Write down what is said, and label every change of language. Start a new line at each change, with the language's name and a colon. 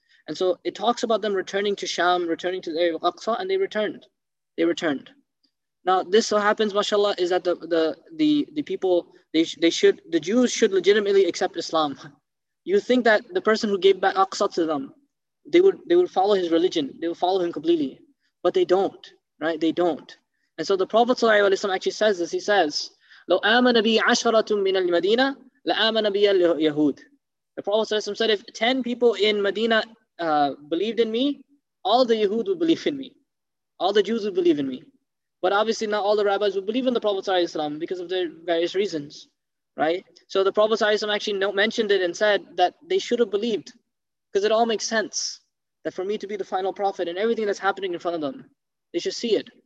English: And so it talks about them returning to Sham, returning to the area of Aqsa, and they returned. They returned. Now, this so happens, mashallah, is that the people, the Jews should legitimately accept Islam. You think that the person who gave back Aqsa to them, they would follow his religion, they would follow him completely. But they don't, right? They don't. And so the Prophet ﷺ actually says this. He says,
Arabic: لو آمن بي عشرة من المدينة لآمن بي اليهود.
English: The Prophet ﷺ said, if 10 people in Medina believed in me, all the Yehud would believe in me. All the Jews would believe in me. But obviously not all the rabbis would believe in the Prophet ﷺ because of their various reasons, right? So the Prophet ﷺ actually mentioned it and said that they should have believed, because it all makes sense that for me to be the final prophet and everything that's happening in front of them, they should see it.